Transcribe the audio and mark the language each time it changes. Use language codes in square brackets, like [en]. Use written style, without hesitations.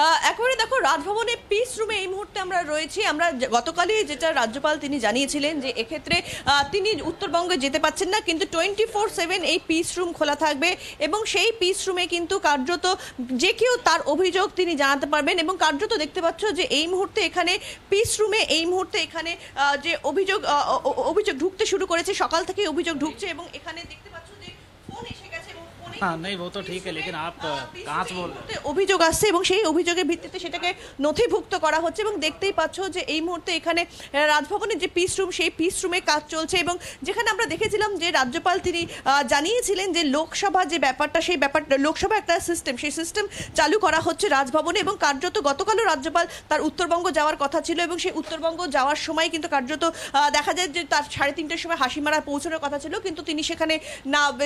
[bn] একবারে দেখো রাজভবনে পিস রুমে এই মুহূর্তে আমরা রয়েছি আমরা গতকালই যেটা রাজ্যপাল তিনি জানিয়েছিলেন যে এক্ষেত্রে তিনি উত্তরবঙ্গে যেতে পাচ্ছেন না কিন্তু 24/7 এই পিস রুম খোলা থাকবে এবং সেই পিস রুমে কিন্তু কার্যত যে কেউ তার অভিযোগ তিনি জানাতে পারবেন এবং কার্যত দেখতে পাচ্ছ যে এই মুহূর্তে এখানে পিস রুমে এই মুহূর্তে এখানে যে অভিযোগ অভিযোগ ঢুকতে শুরু করেছে সকাল থেকে অভিযোগ ঢুকছে এবং এখানে দেখতে পাচ্ছ যে ফোন এসে গেছে [hi] नहीं वो तो ठीक है लेकिन आप कहाँ से बोल रहे हैं [bn] অভিযোগ আসছে এবং সেই অভিযোগের ভিত্তিতে সেটাকে নথিভুক্ত করা হচ্ছে এবং দেখতেই পাচ্ছো যে এই মুহূর্তে এখানে রাজভবনে যে পিস রুম সেই পিস রুমে কাজ চলছে এবং যেখানে আমরা দেখেছিলাম যে রাজ্যপাল তিনি জানিয়েছিলেন যে লোকসভা যে ব্যাপারটা সেই ব্যাপারটা লোকসভা একটা সিস্টেম সেই সিস্টেম চালু করা হচ্ছে রাজভবনে এবং কার্যত গতকালও রাজ্যপাল তার উত্তরবঙ্গ যাওয়ার কথা ছিল এবং সেই উত্তরবঙ্গ যাওয়ার সময় কিন্তু কার্যত দেখা যায় যে তার 3:30টার সময় হাসিমারা পৌঁছানোর কথা ছিল কিন্তু তিনি সেখানে না